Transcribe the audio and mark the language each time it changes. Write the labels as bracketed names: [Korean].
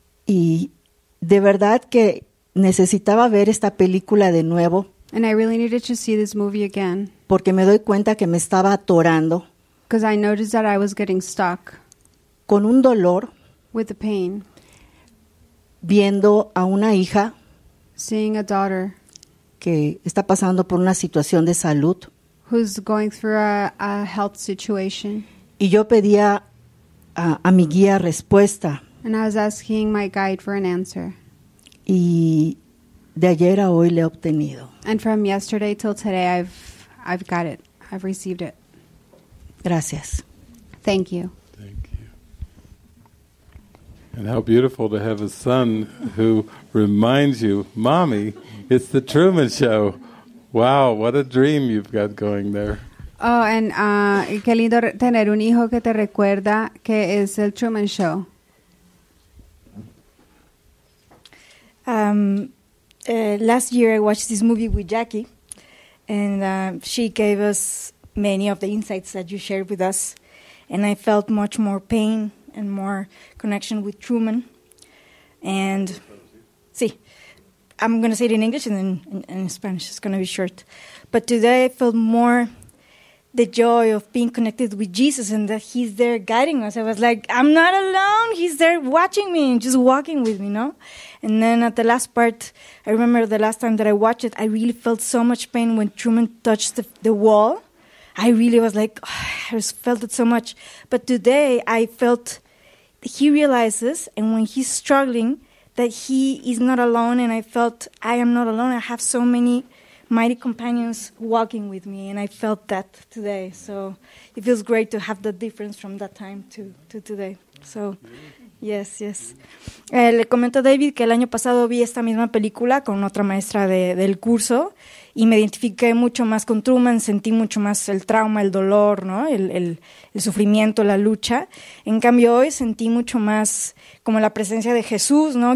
[Spanish] Y de verdad que necesitaba ver esta película de nuevo. [English] And I really needed to see this movie again. [Spanish] Porque me doy cuenta que me estaba atorando. [English] Because I noticed that I was getting stuck. [Spanish] Con un dolor. [English] With the pain. [Spanish] Viendo a una hija. [English] Seeing a daughter. [Spanish] Que está pasando por una situación de salud. [English] Who's going through a health situation. [Spanish] Y yo pedía a mi guía respuesta. [English] And I was asking my guide for an answer. [Spanish] Y de ayer a hoy le he obtenido. [English] And from yesterday till today I've got it. I've received it. [Spanish] Gracias. [English] Thank you. Thank you. And how beautiful to have a son who reminds you, "Mommy, it's the Truman Show." Wow, what a dream you've got going there. [Spanish] Oh, qué lindo tener un hijo que te recuerda que es el Truman Show. [English] Last year I watched this movie with Jackie, and she gave us many of the insights that you shared with us, and I felt much more pain and more connection with Truman. And I'm going to say it in English and then in Spanish. It's going to be short. But today I felt more the joy of being connected with Jesus and that he's there guiding us. I was like, I'm not alone. He's there watching me and just walking with me, no? And then at the last part, I remember the last time that I watched it, I really felt so much pain when Truman touched the wall. I really was like, oh, I just felt it so much. But today I felt he realizes, and when he's struggling, that he is not alone. And I felt I am not alone. I have so many mighty companions walking with me, and I felt that today. So it feels great to have the difference from that time to today. So, yes, yes. [Spanish] Le comento a David que el año pasado vi esta misma película con otra maestra del curso, y me identifiqué mucho más con Truman, sentí mucho más el trauma, el dolor, ¿no? El sufrimiento, la lucha. En cambio, hoy sentí mucho más como la presencia de Jesús, ¿no?